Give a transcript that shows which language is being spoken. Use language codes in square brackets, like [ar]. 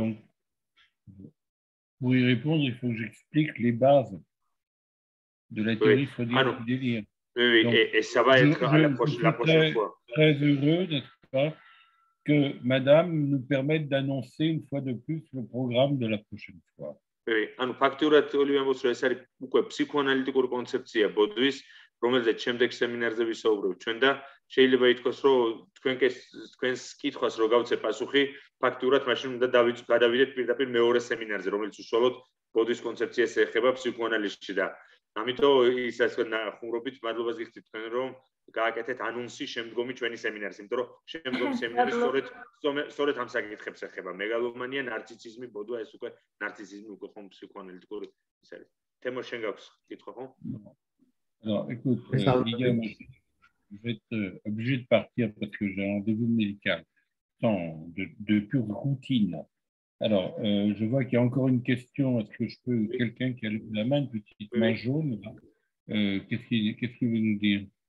[fr] Donc, pour y répondre, il faut que j'explique les bases de la théorie freudienne du délire. Oui, oui. Donc, et ça va être la prochaine fois. Très heureux, n'est-ce pas, que madame nous permette d'annoncer une fois de plus le programme de la prochaine fois. Oui, alors, facturat, Olivier, vous avez dit que la psychoanalytique est une conception, Baudouis, [ka] რომელზე შემდეგ სემინარზე ვისაუბრებ ჩვენ და შეიძლება ითქვას, რომ თქვენს კითხვას რო გავცე პასუხი, ფაქტურად მაშინ უნდა გადავიდეთ პირდაპირ მეორე სემინარზე, რომელიც უშუალოდ ბოდის კონცეფციას ეხება ფსიქოანალიზში და ამიტომ ის, ასე ვთქვათ, ხუმრობით მადლობას გიხდით თქვენ, რომ გააკეთეთ ანონსი შემდგომი ჩვენი სემინარზე, იმიტომ რომ შემდგომი სემინარი სწორედ ამ საკითხებს ეხება: მეგალომანია, ნარცისიზმი, ბოდვა, ეს უკვე ნარცისიზმი უკვე ხომ ფსიქოანალიტიკური ის არის. თემო, შენ გაქვს კითხვა ხომ? [fr] Non, écoute, Guillaume, je vais être obligé de partir parce que j'ai un rendez-vous médical. Tant de pure routine. Alors, je vois qu'il y a encore une question. Est-ce que je peux, oui. Quelqu'un qui a la main, une petite main jaune, là, qu'est-ce qu'il veut nous dire?